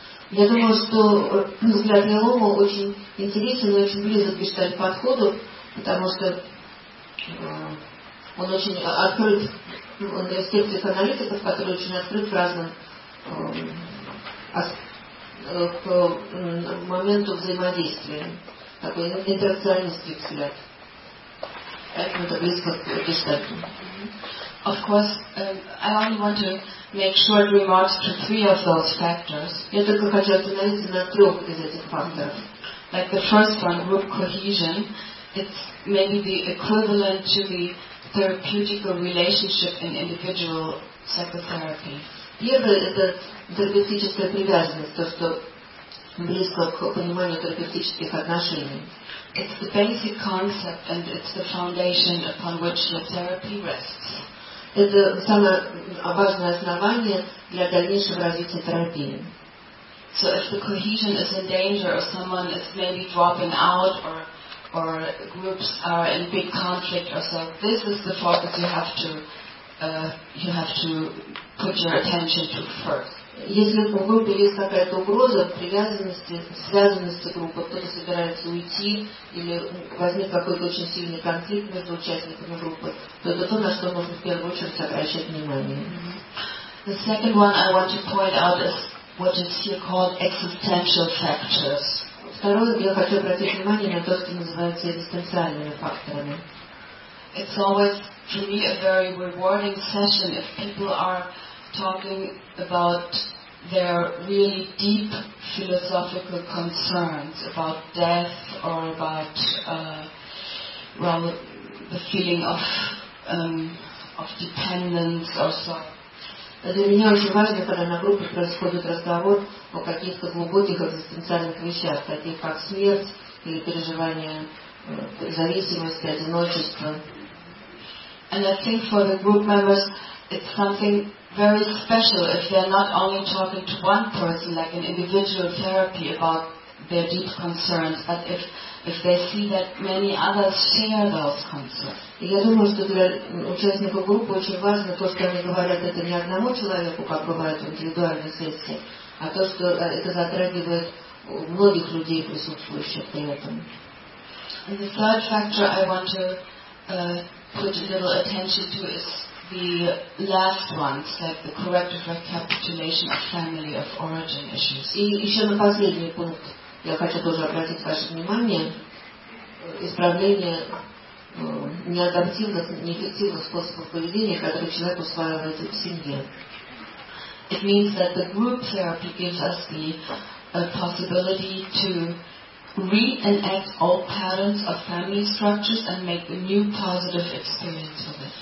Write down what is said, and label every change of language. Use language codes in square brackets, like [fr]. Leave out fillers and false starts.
[ru] Я думаю, что взгляд Ялома очень интересен и очень близок к гештальт-подходу, потому что он очень открыт, он для всех тех аналитиков, который очень открыт к моменту взаимодействия, такой интеракционистский взгляд. Поэтому это близко к гештальту. [en] Of course, I only want to make short remarks to three of those factors. [ru] Я только хочу остановиться на трех из этих факторов. [en] Like the first one, group cohesion, it's maybe the equivalent to the therapeutic relationship in individual psychotherapy. [ru] Первое – это терапевтическая привязанность, то, что близко к пониманию терапевтических отношений. [en] It's the basic concept and it's the foundation upon which the therapy rests. [ru] Это самое важное основание для дальнейшего развития терапии. [en] So if the cohesion is in danger or someone is maybe dropping out or groups are in big conflict or so, this is the focus you have to put your attention to first. [ru] Если в группе есть какая-то угроза привязанности, связанности группы, кто-то собирается уйти или возник какой-то очень сильный конфликт между участниками группы, то это то, на что можно в первую очередь обращать внимание. [en] The second one I want to point out is what is here called existential factors. [ru] Второе, я хочу обратить внимание на то, что называется экзистенциальными факторами. [en] It's always to me a very rewarding session if people are talking about their really deep philosophical concerns about death or about the feeling of dependence or so. [ru] Для меня очень важно, когда на группе происходит разговор о каких-то глубоких экзистенциальных вещах, таких как смерть или переживание зависимости, одиночества. [en] And I think for the group members it's something very special if they are not only talking to one person like an individual therapy about their deep concerns, but if they see that many others share those concerns. [ru] Я думаю, что для участников группы очень важно то, что они говорят это не одному человеку, как бывает в индивидуальной сессии, а то, что это затрагивает многих людей, присутствующих при этом. [en] And the third factor I want to put a little attention to is the last one, like the corrective recapitulation of family of origin issues. [ru] И еще на последний пункт я хочу тоже обратить ваше внимание. Исправление неадаптивных, неэффективных способов поведения, которые человек усваивает в семье. [en] It means that the group therapy gives us the possibility to reenact old patterns of family structures and make a new positive experience of it.